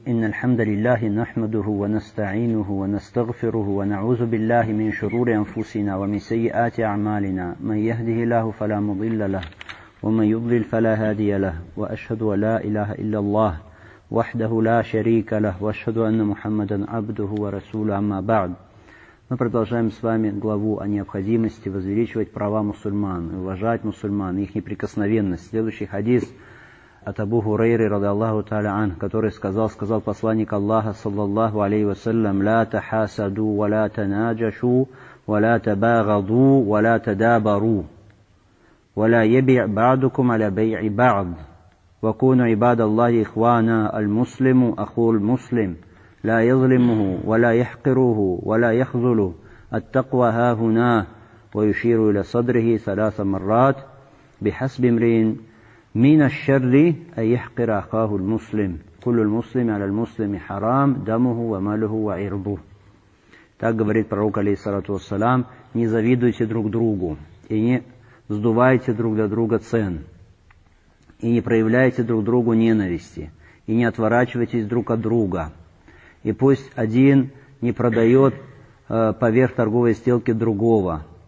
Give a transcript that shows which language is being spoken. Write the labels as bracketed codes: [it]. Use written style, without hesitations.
[ar] إن الحمد لله نحمده ونستعينه ونستغفره ونعوذ بالله من شرور أنفسنا ومن سيئات أعمالنا، من يهده الله فلا مضل له ومن يضلل فلا هادي له، وأشهد أن لا إله إلا الله وحده لا شريك له، وأشهد أن محمدا عبده ورسوله. أما بعد، [ru] мы продолжаем с вами главу о необходимости возвеличивать права мусульман и уважать мусульман, их неприкосновенность. Следующий хадис от Абу Хурейры, ради Аллаху Та'аля ан, который сказал, сказал посланник Аллаха, саллаллаху алейхи вассалям, [ar] «Ла тахасаду, ва ла танаджашу, ва ла табагаду, ва ла тадабару, ва ла яби' ба'дукум аля бей'и ба'д, ва куну ибад Аллахи ихвана, аль-муслиму, ахул муслим, ла язлимуху, ва ла яхкируху, ва ла яхзулу, ат-таква хахуна, ва юширу иля садрихи саласа маррат, бихасби мрин». من الشر أيحقر أخاه المسلم كل المسلم على المسلم حرام دمه وماله وعرضه. [ru] Так говорит пророк алейхиссалату вассалам: не завидуйте друг другу и не сдувайте друг для друга цен и не проявляйте друг другу ненависти и не отворачивайтесь друг от друга. И пусть один не продает поверх торговой сделки другого.